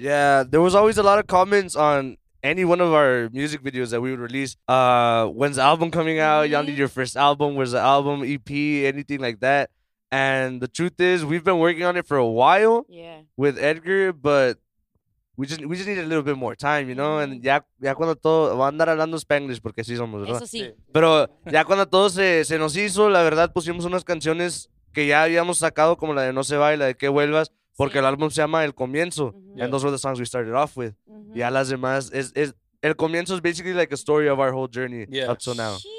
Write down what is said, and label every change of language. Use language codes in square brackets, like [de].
[en] Yeah, there was always a lot of comments on any one of our music videos that we would release. When's the album coming out? Y'all need your first album. Where's the album, EP, anything like that? And the truth is, we've been working on it for a while with Edgar, but we just need a little bit more time, you know? [es] And ya cuando todo... Va a andar hablando Spanglish porque sí somos, ¿verdad? Eso sí. Pero ya cuando todo se nos hizo, la verdad, pusimos unas canciones que ya habíamos sacado, como la de No Se Va y la de Que Vuelvas, porque el álbum se llama El Comienzo. [en] Yeah. And those were the songs we started off with. Mm-hmm. [es] Ya las demás... [en] El Comienzo is basically like a story of our whole journey up to now.